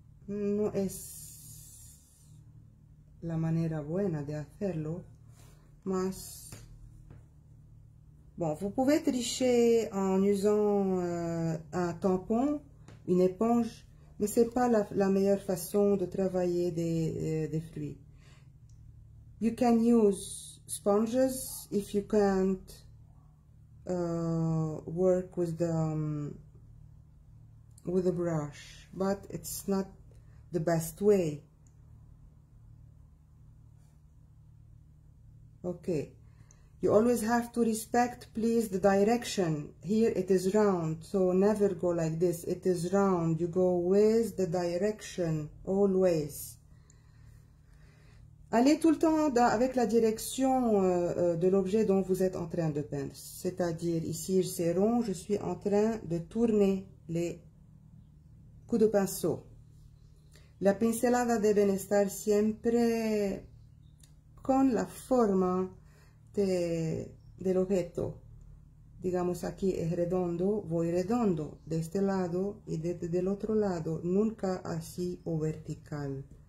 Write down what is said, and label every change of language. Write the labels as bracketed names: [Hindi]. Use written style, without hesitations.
[Spanish] No es la manera buena de hacerlo, [French] mas bon, vous pouvez tricher en usant un tampon, une éponge. Mais ce n'est pas la meilleure façon de travailler des fruits. You can use sponges if you can't work with a brush, but it's not the best way. [English] Okay. You always have to respect, please, the direction. Here it is round, so never go like this. It is round. You go with the direction, always. [French] Allez tout le temps avec la direction de l'objet dont vous êtes en train de peindre. C'est-à-dire, ici, c'est rond, je suis en train de tourner les coups de pinceau. [Spanish] La pincelada deben estar siempre con la forma del objeto. Digamos aquí es redondo, voy redondo de este lado y del otro lado, nunca así o vertical.